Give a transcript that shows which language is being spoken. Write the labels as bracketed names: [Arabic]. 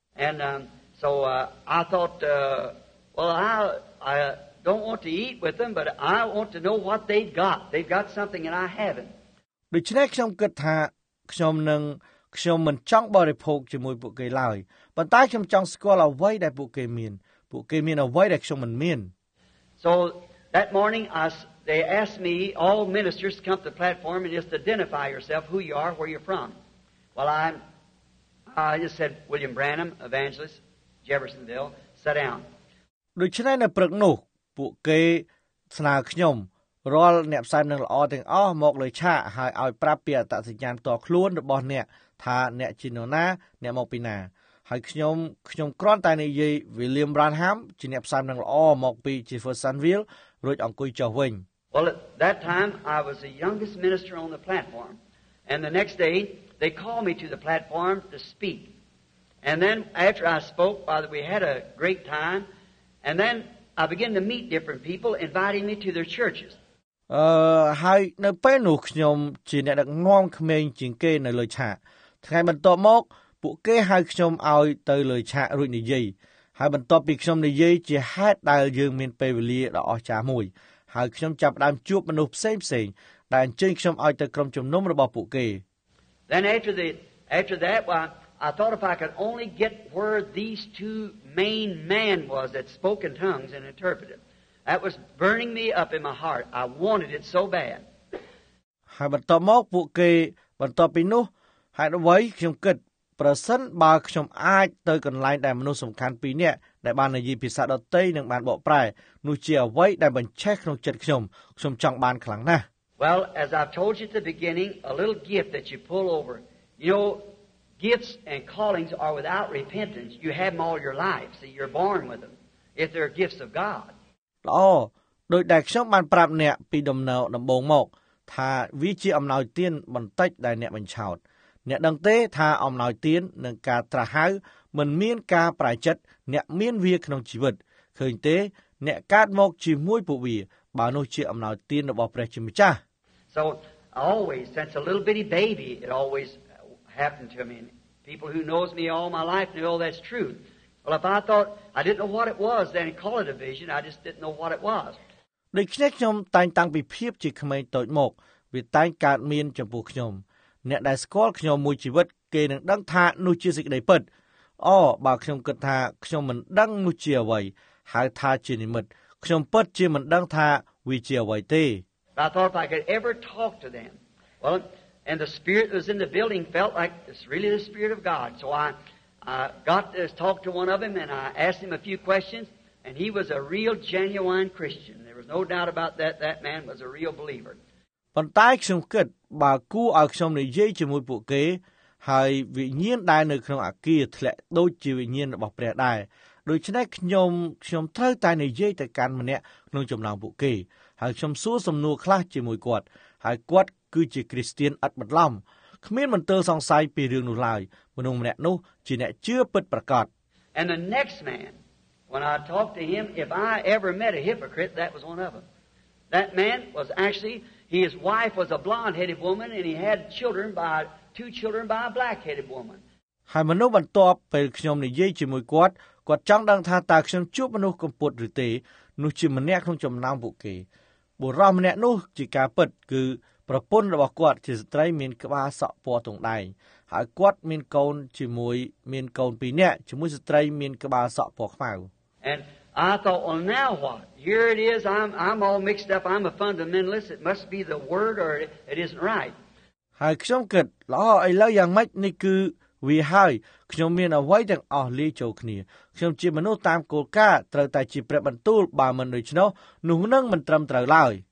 [English] And so I thought well I don't want to eat with them but I want to know what they've got something and I haven't [Khmer] ដូច្នេះខ្ញុំគិតថាខ្ញុំមិនចង់បរិភោគជាមួយពួកគេឡើយប៉ុន្តែខ្ញុំចង់ស្គាល់អ្វីដែលពួកគេមានពួកគេមានអ្វីដែលខ្ញុំមិនមាន [English] So that morning they asked me all ministers to come to the platform and just identify yourself who you are where you're from Well I just said William Branham evangelist Jeffersonville sit down [Khmer] ដូច្នេះនៅព្រឹកនោះពួកគេស្នើខ្ញុំរាល់អ្នកផ្សាយនឹងល្អទាំងអស់មកលើឆាកហើយឲ្យប្រាប់ពីអត្តសញ្ញាណតខ្លួនរបស់អ្នកថាអ្នកជានរណាអ្នកមកពីណាហើយខ្ញុំគ្រាន់តែនិយាយ William Branham ជាអ្នកផ្សាយនឹងល្អមកពី Jeffersonville រួចអង្គុយចុះវិញ [English] Well at that time I was the youngest minister on the platform and the next day they called me to the platform to speak and then after I spoke father we had a great time and then I began to meet different people inviting me to their churches [Khmer] ហើយនៅពេលនោះខ្ញុំជាអ្នកដឹកនាំក្មេងជាងគេនៅលើឆាកថ្ងៃបន្ទាប់មកពួកគេហៅខ្ញុំឲ្យទៅលើឆាករួចនិយាយហើយបន្ទាប់ពីខ្ញុំនិយាយជាហេតុដែលយើងមានពេលវេលាដ៏អស្ចារ្យមួយហើយខ្ញុំចាប់ផ្ដើមជួបមនុស្សផ្សេងផ្សេងដែលអញ្ជើញខ្ញុំឲ្យទៅក្រុមជំនុំរបស់ពួកគេ [English] Then after that I thought if I could only get where these two main men was that spoke in tongues and interpreted That was burning me up in my heart. I wanted it so bad. [Khmer] ហើយបន្តមកពួកគេបន្តពីនោះហើយអ្វីខ្ញុំគិតប្រសិនបើខ្ញុំអាចទៅកន្លែងដែលមនុស្សសំខាន់ពីរនាក់ដែលបាននិយាយភាសាដតីនិងបានបកប្រែនោះជាអ្វីដែលបញ្ឆេះក្នុងចិត្តខ្ញុំខ្ញុំចង់បានខ្លាំងណាស់ [English] Well, as I've told you at the beginning, a little gift that you pull over. You know, gifts and callings are without repentance. You have them all your life. See, you're born with them. If they're gifts of God, [Khmer] ល្អដោយដែលខ្ញុំបានប្រាប់អ្នកពីដំណើរដំបូងមកថាវាជាអំណោយទានបន្តិចដែលអ្នកបញ្ឆោតអ្នកដឹងទេថាអំណោយទាននឹងការត្រាស់ហៅមិនមានការប្រែចិត្តអ្នកមានវាក្នុងជីវិតឃើញទេអ្នកកើតមកជាមួយពួកវាបើនោះជាអំណោយទានរបស់ព្រះជាម្ចាស់ [English] So always since a little bitty baby it always happened to me people who knows me all my life know that's truthWell, if I thought I didn't know what it was, then call it a vision. I just didn't know what it was. [Khmer] ដូច្នេះខ្ញុំតែងតាំងពីភាពជាក្មេងតូចមកវាតែងកើតមានចំពោះខ្ញុំអ្នកដែលស្គាល់ខ្ញុំមួយជីវិតគេនឹងដឹងថានោះជាសេចក្តីពិតអូបើខ្ញុំគិតថាខ្ញុំមិនដឹងនោះជាអ្វីហៅថាជានិមិត្តខ្ញុំពិតជាមិនដឹងថាវាជាអ្វីទេ [English] I thought if I could ever talk to them. Well, and the spirit that was in the building felt like it's really the spirit of God. So I got to talk to one of them and I asked him a few questions and he was a real genuine Christian. There was no doubt about that. That man was a real believer. [Khmer] ប៉ុន្តែខ្ញុំគិតបើគូឲ្យខ្ញុំនិយាយជាមួយពួកគេហើយវិញ្ញាណដែលនៅក្នុងអាគារធ្លាក់ដូចជាវិញ្ញាណរបស់ព្រះដែរដូច្នេះខ្ញុំត្រូវតែនិយាយទៅកាន់ម្នាក់ក្នុងចំណោមពួកគេហើយខ្ញុំសួរសំណួរខ្លះជាមួយគាត់ហើយគាត់គឺជាគ្រីស្ទានឥតបន្លំគ្មានមន្ទិលសង្ស័យពីរឿងនោះឡើយមនុស្សម្នាក់នោះជាអ្នកជឿពិតប្រាកដ [English] And the next man when I talked to him if I ever met a hypocrite that was one of them That man was actually his wife was a blonde-headed woman and he had two children by a black-headed woman [Khmer] ហើយមនុស្សបន្ទាប់ពេលខ្ញុំនិយាយជាមួយគាត់ គាត់ចង់ដឹងថាតើខ្ញុំជួបមនុស្សកំពត់ឬទេនោះជាម្នាក់ក្នុងចំណោមពួកគេបុរសម្នាក់នោះជាការពិតគឺប្រពន្ធរបស់គាត់ជាស្ត្រីមានក្បាលសក់ពណ៌ទង់ដែងហើយគាត់មានកូនជាមួយមានកូនពីរនាក់ជាមួយស្ត្រីមានក្បាលសក់ពណ៌ខ្មៅ [English] And I thought, well, now what? Here it is. I'm all mixed up. I'm a fundamentalist. It must be the word or it isn't right. [Khmer] ហើយខ្ញុំគិតល្អឥឡូវយ៉ាងម៉េចនេះគឺវាហើយខ្ញុំមានអ្វីទាំងអស់លាយចូលគ្នាខ្ញុំជាមនុស្សតាមគោលការណ៍ត្រូវតែជាព្រះបន្ទូលបើមិនដូច្នោះនោះនឹងមិនត្រឹមត្រូវឡើយ